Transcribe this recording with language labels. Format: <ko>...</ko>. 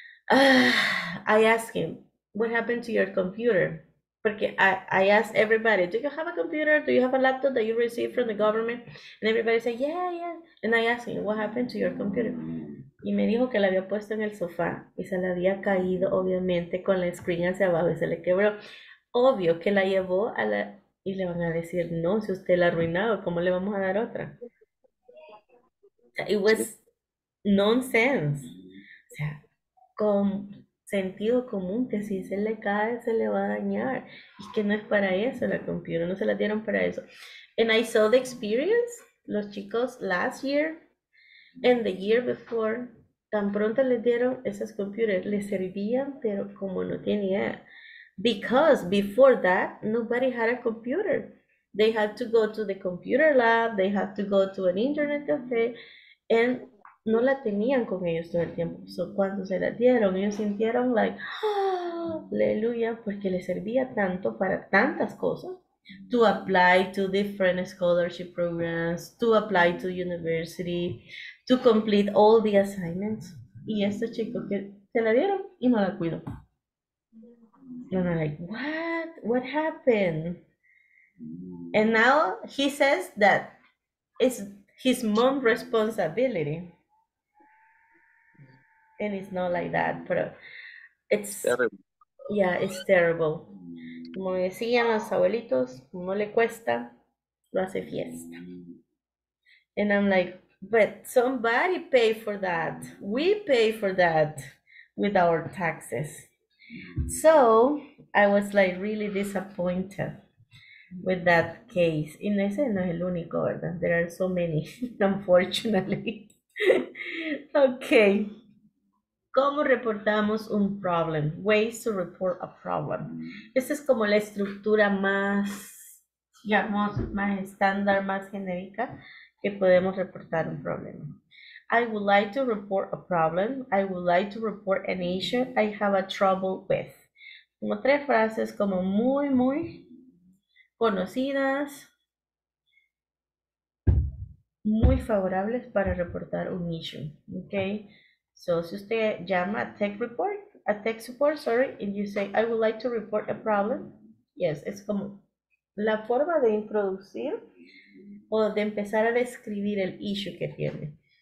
<en>I asked him, what happened to your computer? Because I asked everybody, do you have a computer? Do you have a laptop that you received from the government? And everybody said, yeah. And I asked him, what happened to your computer?</en> <es>Y me dijo que la había puesto en el sofá y se la había caído, obviamente, con la screen hacia abajo y se le quebró. Obvio que la llevó a la... Y le van a decir, no, si usted la ha arruinado, ¿cómo le vamos a dar otra?</es> <en>It was nonsense.</en> <es>O sea, con sentido común, que si se le cae, se le va a dañar. Y que no es para eso la computadora, no se la dieron para eso.</es> <en>And I saw the experience,</en> <es>los chicos,</es> <en>last year, and the year before,</en> <es>tan pronto les dieron esas computadoras, les servían, pero como no tenía.</es> <en>Because before that, nobody had a computer. They had to go to the computer lab, they had to go to an internet cafe, and</en> <es>no la tenían con ellos todo el tiempo. So cuando se la dieron, ellos sintieron like, aleluya, porque les servía tanto para tantas cosas.</es> <en>To apply to different scholarship programs, to apply to university, to complete all the assignments.</en> <es>Y estos chicos que se la dieron y no la cuidó.</es> <en>And I'm like, what happened? And now he says that it's his mom's responsibility. And it's not like that, but it's terrible. Yeah, it's terrible.</en> <es>Como decían los abuelitos, no le cuesta, lo hace fiesta.</es> <en>And I'm like, but somebody pay for that. We pay for that with our taxes. So I was like really disappointed with that case.</en> <es>Y no, ese no es el único, ¿verdad?</es> <en>There are so many, unfortunately. Okay.</en> <es>¿Cómo reportamos un</es> <en>problem? Ways to report a problem.</en> <es>Esta es como la estructura más, digamos, más estándar, más genérica que podemos reportar un problema.</es> <en>I would like to report a problem. I would like to report an issue I have a trouble with.</en> <es>Como tres frases como muy, muy conocidas, muy favorables para reportar un issue, okay? So, si usted llama a tech support,</es> <en>and you say, I would like to report a problem,</en> <es>yes, es como la forma de introducir o de empezar a describir el issue que tiene.</es>